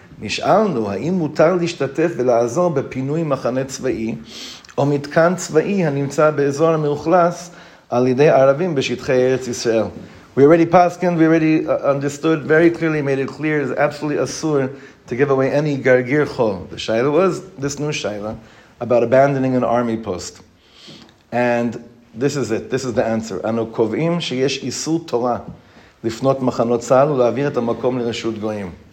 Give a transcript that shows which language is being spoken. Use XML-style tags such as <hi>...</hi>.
<he>נשאלנו, האם מותר להשתתף ולעזור בפינוי מחנה צבאי או מתקן צבאי הנמצא באזור המאוכלס על ידי ערבים בשטחי ארץ ישראל?</he> <en>We already passed, we already understood very clearly, made it clear, it's absolutely asur to give away any gargir chol. The shayla was this new shayla about abandoning an army post. And this is it, this is the answer.</en> <he>אנו קובעים שיש איסור תורה לפנות מחנות צהל ולהעביר את המקום לרשות גויים.</he>